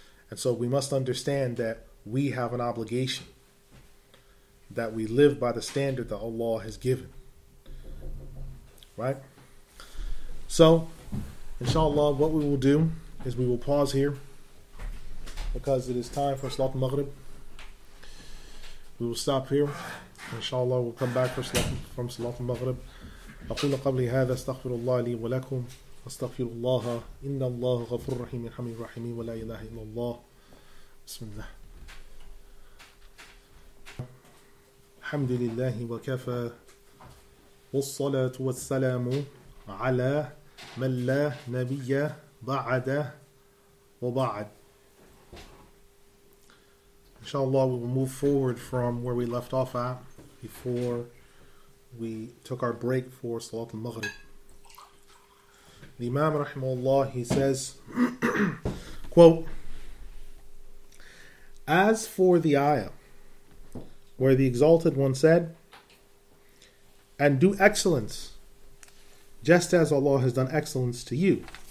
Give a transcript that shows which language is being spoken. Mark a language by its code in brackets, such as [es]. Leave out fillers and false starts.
[en] And so we must understand that we have an obligation, that we live by the standard that Allah has given. Right? So, inshallah, what we will do is we will pause here because it is time for Salat Maghrib. We will stop here. Inshallah, we'll come back from Salat Maghrib. [ar] أقول قبل هذا استغفر الله لي ولكم استغفر الله إن الله غفور رحيم حميد رحيم ولا إله إلا الله بسم الله الحمد لله وكفى والصلاة والسلام على من لا نبي بعد وبعد. [en] إن شاء الله we will move forward from where we left off at before we took our break for Salat al-Maghrib. The Imam, rahimahullah, he says, quote, as for the ayah, where the Exalted One said, and do excellence, just as Allah has done excellence to you.